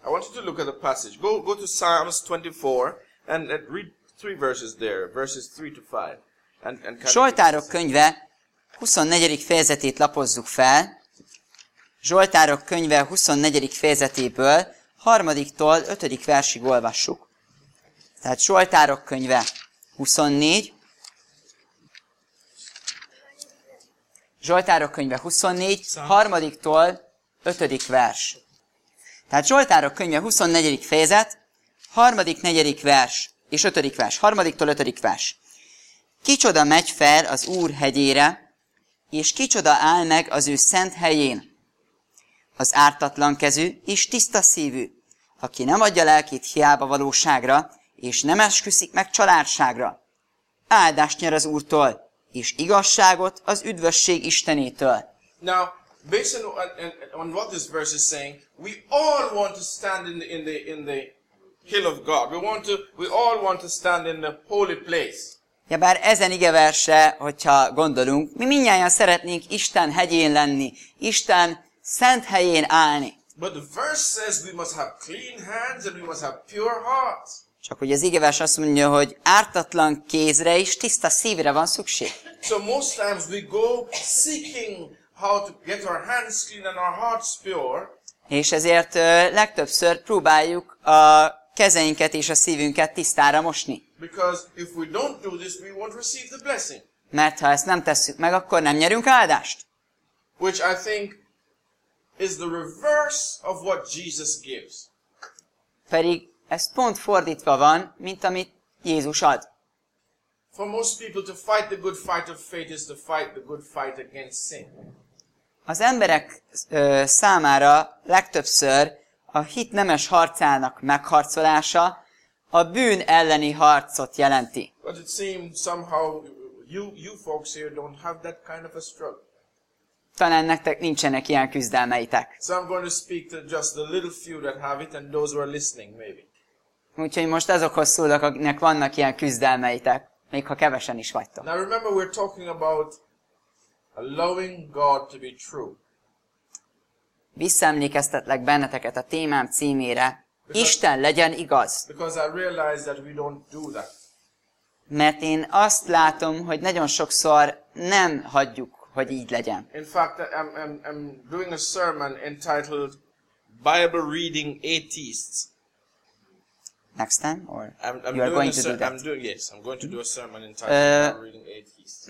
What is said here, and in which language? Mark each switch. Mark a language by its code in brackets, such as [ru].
[en] I want you to look at the passage. Go to Psalms 24 and read three verses there, verses 3 to 5. [hu] Zsoltárok könyve 24. fejezetét lapozzuk fel. Zsoltárok könyve 24. fejezetéből 3-tól 5. versig olvassuk. Tehát Zsoltárok könyve 24. Zsoltárok könyve 24, 3-tól 5. vers. Tehát Zsoltárok könyve 24. fejezet, 3.-4. vers és 5. vers. 3-tól 5. vers. Kicsoda megy fel az Úr hegyére, és kicsoda áll meg az ő szent helyén? Az ártatlan kezű és tiszta szívű, aki nem adja lelkét hiába valóságra, és nem esküszik meg csalárságra. Áldást nyer az Úrtól, és igazságot az üdvösség Istenétől. [en] Now, based on what this verse is saying, we all want to stand in the hill of God. We all want to stand in the holy place. [hu] Ja, bár ezen igeverse, hogyha gondolunk, mi mindnyájan szeretnénk Isten hegyén lenni, Isten szent helyén állni. [en] But the verse says we must have clean hands and we must have pure hearts. [hu] Csak hogy az igeverse azt mondja, hogy ártatlan kézre és tiszta szívre van szükség. [en] So most times we go seeking how to get our hands clean and our hearts pure. [hu] És ezért legtöbbször próbáljuk a kezeinket és a szívünket tisztára mosni. [en] Because if we don't do this, we won't receive the blessing. [hu] Mert ha ezt nem tesszük meg, akkor nem nyerünk áldást. [en] Which I think is the reverse of what Jesus gives. [hu] Pedig ez pont fordítva van, mint amit Jézus ad. [en] For most people to fight the good fight of faith is to fight the good fight against sin. [hu] Az emberek számára legtöbbször a hit nemes harcának megharcolása a bűn elleni harcot jelenti. [en] But it seems somehow you folks here don't have that kind of a struggle. [hu] Talán nektek nincsenek ilyen küzdelmeitek. [en] So I'm going to speak to just the little few that have it and those who are listening maybe. [hu] Úgyhogy most azokhoz szólok, akiknek vannak ilyen küzdelmeitek, még ha kevesen is vagytok. [en] Now remember we're talking about allowing God to be true. [hu] Visszaemlékeztetlek benneteket a témám címére. Isten legyen igaz. [en] Because I realize that we don't do that. [hu] Mert én azt látom, hogy nagyon sokszor nem hagyjuk, hogy így legyen. [en] In fact, I'm doing a sermon entitled Bible Reading Atheists. Next time, or I'm you are going to do that? I'm going to do a sermon entitled Bible Reading Atheists.